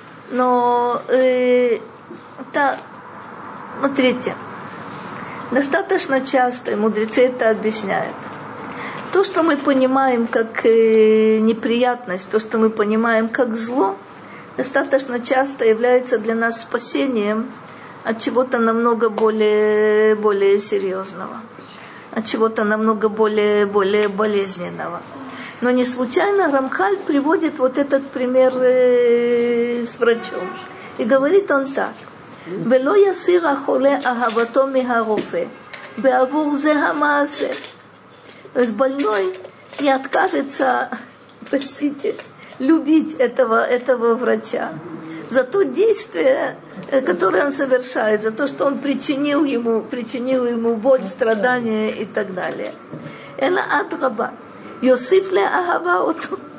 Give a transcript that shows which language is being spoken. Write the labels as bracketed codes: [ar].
[ru] Но это, смотрите, достаточно часто, и мудрецы это объясняют, то, что мы понимаем как неприятность, то, что мы понимаем как зло, достаточно часто является для нас спасением от чего-то намного более серьезного, от чего-то намного более болезненного. Но не случайно Рамхаль приводит вот этот пример с врачом. И говорит он так. [he] ולא יסיר החולה אהבתו מהרופא, בעבור זה המעשה. [ru] אז больной не откажется, простите, любить этого врача за то действие, которое он совершает, за то, что он причинил ему боль, страдания и так далее. [he] Эла адраба, יוסיף לאהבה אותו.